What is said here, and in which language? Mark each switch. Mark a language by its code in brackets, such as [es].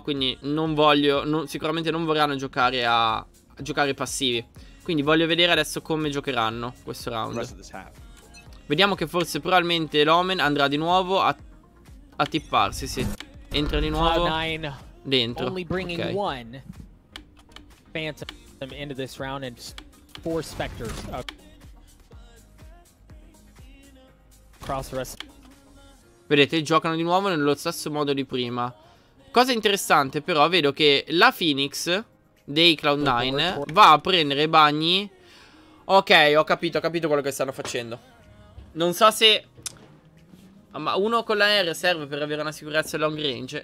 [it] Quindi non voglio, non, sicuramente non vorranno giocare a giocare passivi. Quindi voglio vedere adesso come giocheranno questo round. Vediamo che forse probabilmente l'Omen andrà di nuovo a tipparsi, sì. Entra di nuovo dentro. Ok. [en] Phantom into this round and four specters across the rest. [it] Vedete, giocano di nuovo nello stesso modo di prima. Cosa interessante però, vedo che la Phoenix dei Cloud9 va a prendere bagni. Ok, ho capito quello che stanno facendo. Non so se, ma uno con la R serve per avere una sicurezza long range?